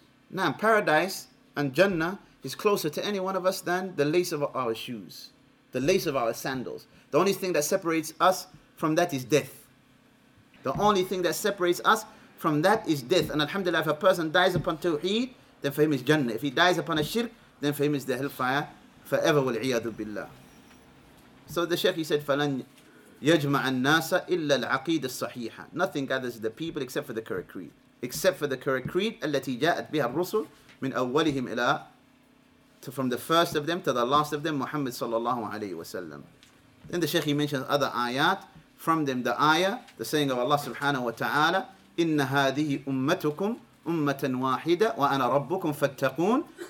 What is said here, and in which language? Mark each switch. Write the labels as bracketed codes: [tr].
[en] Now, paradise and Jannah is closer to any one of us than the lace of our shoes. the lace of our sandals. The only thing that separates us from that is death. The only thing that separates us from that is death. And alhamdulillah, if a person dies upon tawheed, then for him is Jannah. If he dies upon a shirk, then for him is the hellfire forever. Wal-iyadu billah. So the Shaykh, he said, [ar] فَلَنْ يَجْمَعَ النَّاسَ إِلَّا الْعَقِيدَ الصَّحِيحَ. [en] Nothing gathers the people except for the correct creed. Except for the correct creed, [ar] التي جاءت بها الرسل من أولهم إلى [en] from the first of them to the last of them, Muhammad sallallahu alayhi wa sallam. Then the Shaykh, he mentions other ayat. From them, the ayah, the saying of Allah subhanahu wa ta'ala, [ar] إِنَّ هَذِهِ أُمَّتُكُمْ أُمَّةً وَاحِدَةً وَأَنَا رَبُّكُمْ فَاتَّقُونَ.